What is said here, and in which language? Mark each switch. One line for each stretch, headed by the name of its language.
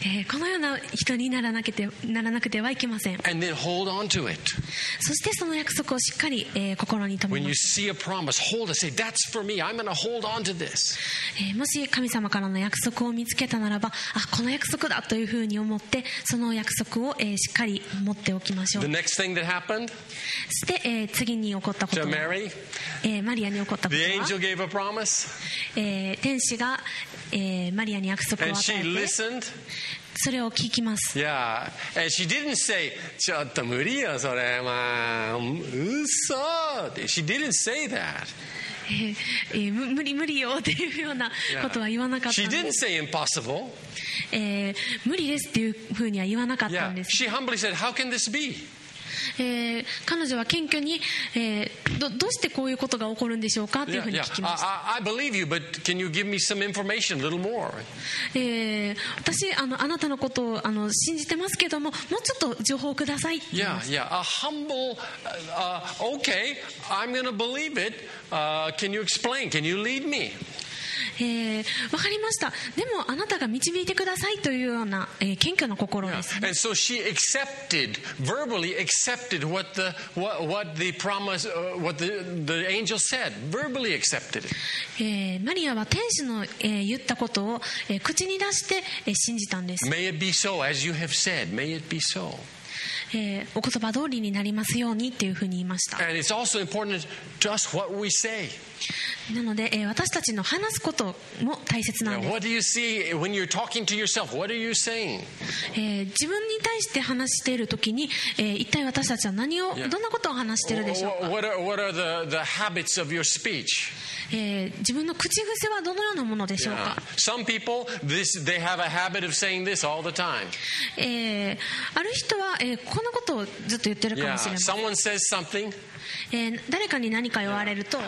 Japanese: このような人にならなくて、ならなくてはいけません。
English: And then hold on to it.
Japanese: そしてその約束をしっかり、心に留めます。
English: When you see a promise, hold it. Say, that's for me. I'm going to hold on to this.
Japanese: もし神様からの約束を見つけたならば、あ、この約束だというふうに思ってその約束を、しっかり持っておきましょう。
English: The next thing that happened?
Japanese: そして、次に起こったこと。
English: To Mary?
Japanese: マリアに起こったことは、
English: The angel gave a promise?
Japanese: 天使が、マリアに約束を与えて、
English: And she listened?
Japanese: それを聞きます。
English: Yeah. And she didn't say,
Japanese: ちょっと無理よそれ、まあ、うそ。
English: She didn't say that.
Japanese: 無理無理よっていうようなことは言わなかった。
English: She didn't say impossible.
Japanese: 無理ですっていうふうには言わなかったんです。
English: Yeah. She humbly said, how can this be?
Japanese: 彼女は謙虚に、どうしてこういうことが起こるんでしょうかというふうに聞きました。
English: I believe you, but can you give me some information, a little more?
Japanese: 私あなたのことを信じてますけども、もうちょっと情報をください。
English: A humble, okay, I'm going to believe it. Can you explain? Can you lead me?
Japanese: わかりました。でもあなたが導いてくださいというような、謙虚な心ですね。
English: And so she accepted, verbally accepted what the, what the promise, what the angel said, verbally accepted it.
Japanese: マリアは天使の、言ったことを、口に出して、信じたんです。
English: May it be so as you have said, may it be so.
Japanese: お言葉通りになりますようにというふうに言いました。
English: And it's also important to us what we say.
Japanese: なので、私たちの話すことも大切なんです。
English: Now, what do you see when you're talking to yourself? What are you saying?
Japanese: 自分に対して話しているときに、一体私たちは何を、どんなことを話しているでしょうか。
English: What are the habits of your speech?
Japanese: 自分の口癖はどのようなものでしょうか。
English: Some people, they have a habit of saying this all the time.
Japanese: ある人は、こんなことをずっと言ってるかもしれません。
English: Someone says something.
Japanese: 誰かに何か言われると、